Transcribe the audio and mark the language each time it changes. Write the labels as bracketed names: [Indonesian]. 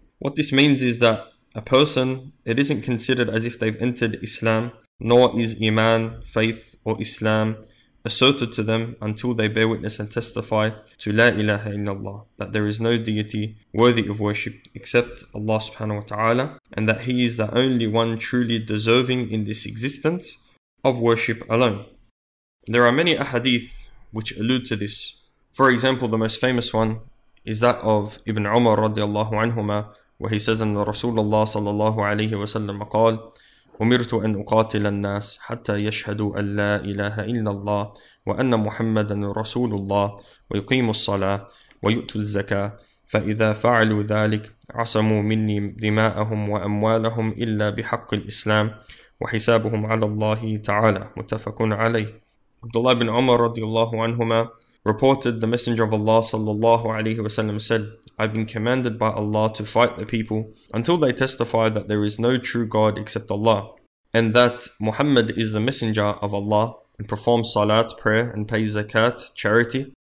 [English] What this means is that a person, it isn't considered as if they've entered Islam, nor is Iman, faith, or Islam asserted to them until they bear witness and testify to La ilaha illallah, that there is no deity worthy of worship except Allah subhanahu wa ta'ala, and that He is the only one truly deserving in this existence of worship alone. There are many ahadith which allude to this. For example, the most famous one is that of Ibn Umar radiallahu anhuma, where he says, [Arabic] "Anna Rasulullah sallallahu alayhi wa sallam qaal, أمرت أن أقاتل الناس حتى يشهدوا أن لا إله إلا الله وأن محمدا رسول الله ويقيموا الصلاة ويؤتوا الزكاة فإذا فعلوا ذلك عصموا مني دماءهم وأموالهم إلا بحق الإسلام وحسابهم على الله تعالى." متفق عليه. [English] Abdullah bin Umar [Arabic] رضي الله عنهما [English] reported the Messenger of Allah sallallahu alayhi wa sallam said, "I've been commanded by Allah to fight the people until they testify that there is no true God except Allah, and that Muhammad is the Messenger of Allah, and perform salat, prayer, and pay zakat, charity.